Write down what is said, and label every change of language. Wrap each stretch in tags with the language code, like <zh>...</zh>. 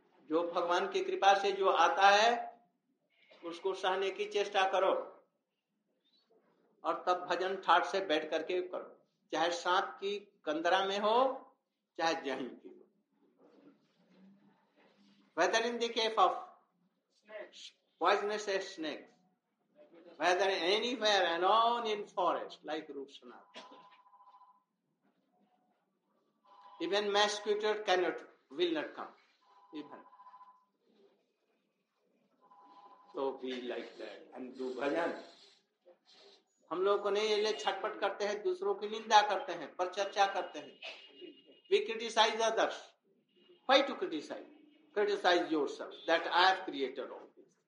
<hi>जो भगवान की कृपा से जो आता है उसको सहने की चेष्टा करो और तब भजन ठाट से बैठ करके करो, चाहे सांप की कंदरा में हो चाहे जहीं की हो.</hi> <en>Whether in the cave of poisonous snakes, whether anywhere alone in forest like Rupsana, even mosquito cannot, will not come. Even. So be like that and do bhajan.</en> <hi>हम लोगों को नहीं, इसलिए छटपट करते हैं, दूसरों की निंदा करते हैं, पर चर्चा करते हैं.</hi> <en>We criticize others. Why to criticize? Criticize yourself that I have created all this.</en>